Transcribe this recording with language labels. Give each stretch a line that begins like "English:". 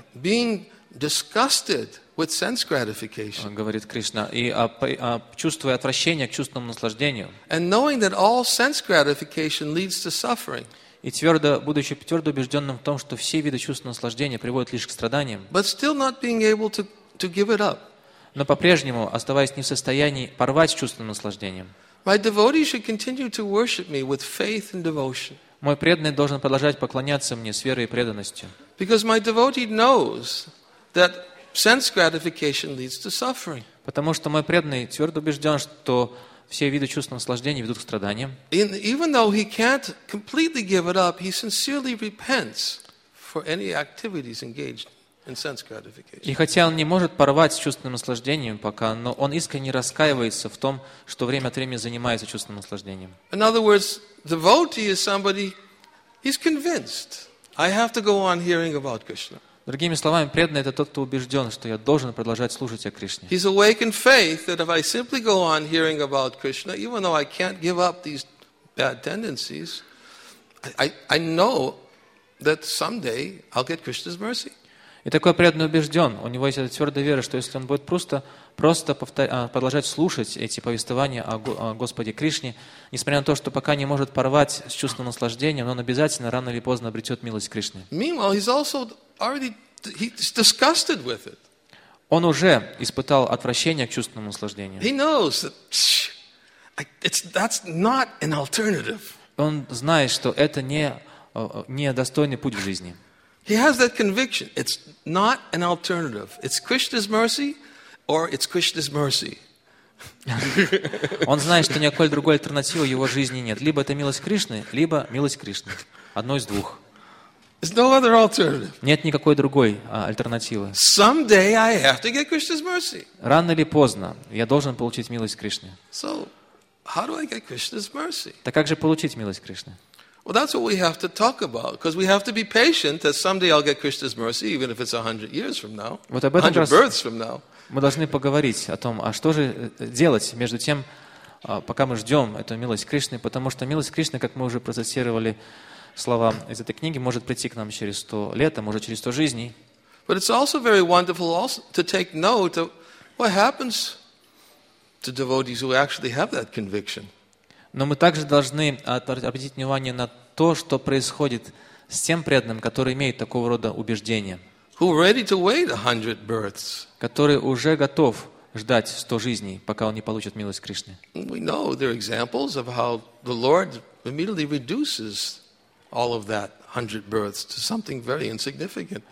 English: Being disgusted with sense gratification.
Russian: Говорит Кришна, и чувствуя отвращение к чувственному наслаждению.
English: And knowing that all sense gratification leads to suffering.
Russian: И будучи твердо убежденным в том, что все виды чувственного наслаждения приводят лишь к страданиям.
English: But still not being able to give it up.
Russian: но по-прежнему оставаясь не в состоянии порвать с чувством наслаждения.
English: My devotee should continue to worship me with faith and devotion.
Russian: Мой преданный должен продолжать поклоняться мне с верой и преданностью.
English: Because my devotee knows that sense gratification leads to suffering.
Russian: Потому что мой преданный твердо убежден, что все виды чувств наслаждения ведут к страданиям.
English: And even though he can't completely give it up, he sincerely repents for any activities engaged.
Russian: И хотя он не может порвать с чувственным наслаждением пока, но он искренне раскаивается в том, что время от времени занимается чувственным наслаждением.
English: In other words, devotee is somebody, he's convinced. I have to go on hearing about Krishna.
Russian: Другими словами, преданный — это тот, кто убежден, что я должен продолжать слушать о Кришне.
English: He's awake in faith that if I simply go on hearing about Krishna, even though I can't give up these bad tendencies, I know that someday I'll get Krishna's mercy.
Russian: И такой преданный убежден, у него есть эта твердая вера, что если он будет продолжать слушать эти повествования о Господе Кришне, несмотря на то, что пока не может порвать с чувством наслаждения, но он обязательно рано или поздно обретет милость Кришны.
English: Meanwhile, he's also already, he's disgusted with it.
Russian: Он уже испытал отвращение к чувственному наслаждению.
English: He knows that, that's not an alternative.
Russian: Он знает, что это не достойный путь в жизни.
English: He has that conviction. It's not an alternative. It's Krishna's mercy, or it's Krishna's mercy.
Russian: Он знает, что никакой другой альтернативы в его жизни нет. Либо это милость Кришны, либо милость Кришны. Одно из двух.
English: There's no other alternative.
Russian: Нет никакой другой альтернативы.
English: Someday I have to get Krishna's mercy.
Russian: Рано или поздно я должен получить милость Кришны.
English: So, how do I get Krishna's mercy?
Russian: Так как же получить милость Кришны?
English: Well, that's what we have to talk about, because we have to be patient that someday I'll get Krishna's mercy, even if it's 100 years from now, 100 births from now.
Russian: Мы должны поговорить о том, а что же делать между тем, пока мы ждем эту милость Кришны, потому что милость Кришны, как мы уже процитировали слова из этой книги, может прийти к нам через 100 лет, а может через 100 жизней.
English: But it's also very wonderful also to take note of what happens to devotees who actually have that conviction.
Russian: Но мы также должны обратить внимание на то, что происходит с тем преданным, который имеет такого рода убеждение.
English: Who ready to wait 100 births.
Russian: Который уже готов ждать 100 жизней, пока он не получит милость Кришны.
English: We know there are examples of how the Lord immediately reduces all of that 100 births to something very insignificant.